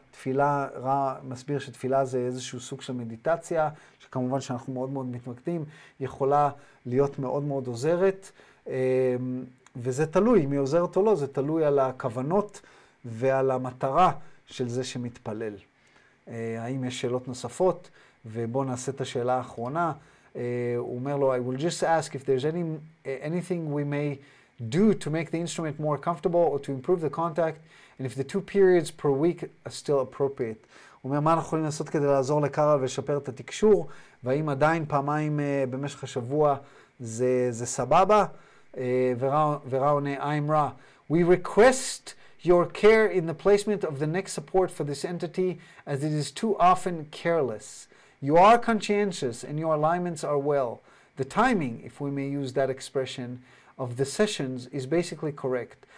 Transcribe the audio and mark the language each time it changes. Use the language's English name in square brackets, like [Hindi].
[Hebrew] תפילה, רע מסביר שתפילה זה איזשהו סוג של מדיטציה, שכמובן שאנחנו מאוד מאוד מתמקדים, יכולה להיות מאוד מאוד עוזרת, וזה תלוי, אם היא עוזרת או לא, זה תלוי על הכוונות ועל המטרה של זה שמתפלל. האם יש שאלות נוספות? ובואו נעשה את השאלה האחרונה. הוא אומר לו, [English] I will just ask if there's anything we may do to make the instrument more comfortable or to improve the contact, and if the two periods per week are still appropriate. [Hebrew] הוא אומר, מה אנחנו יכולים לעשות כדי לעזור לקארל ולשפר את התקשור, והאם עדיין פעמיים במשך השבוע זה סבבה? ורא עונה, [English] I'm Ra. We request your care in the placement of the neck support for this entity, as it is too often careless. You are conscientious and your alignments are well. The timing, if we may use that expression, of the sessions is basically correct.